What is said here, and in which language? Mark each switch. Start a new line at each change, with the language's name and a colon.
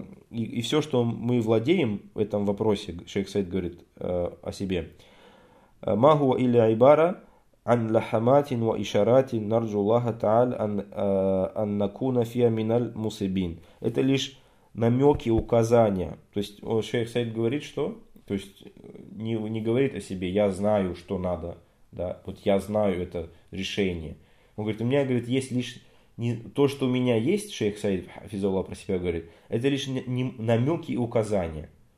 Russian: И все, что мы владеем в этом вопросе, шейх Саид говорит о себе.
Arabic: مَا هُوَ إِلَّا عِبَارَ عن لحمات وإشارات نرجو الله تعالى أن نكون فيها من المصيبين.
Russian: Это лишь намеки, указания. То есть он, шейх Саид говорит, что, то есть не говорит о себе, я знаю, что надо, да, вот я знаю это решение. Он говорит, у меня, говорит, есть лишь не, то, что у меня есть, шейх Саид Физаула про себя говорит, это лишь намеки и указания.